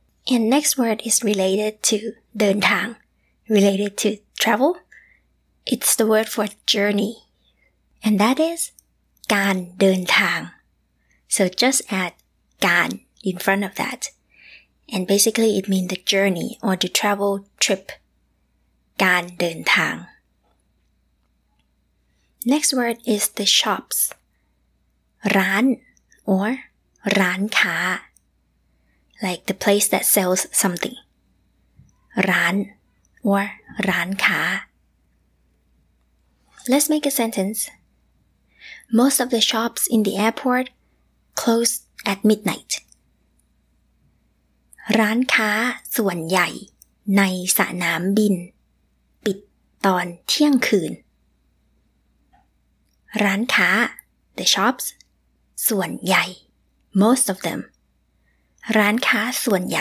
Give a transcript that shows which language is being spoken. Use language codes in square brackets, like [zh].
[en] And next word is related to เดินทาง related to travel. It's the word for journey. And that is การเดินทาง So just add การ in front of that. And basically it means the journey or the travel trip. การเดินทาง Next word is the shops. [th] ร้านOr ร้านค้า [en] like the place that sells something [th] ร้าน or ร้านค้า [en] Let's make a sentence Most of the shops in the airport close at midnight [th] ร้านค้าส่วนใหญ่ในสนามบินปิดตอนเที่ยงคืน [en] ร้านค้า the shopsส่วนใหญ่ most of them [th] ร้านค้าส่วนใหญ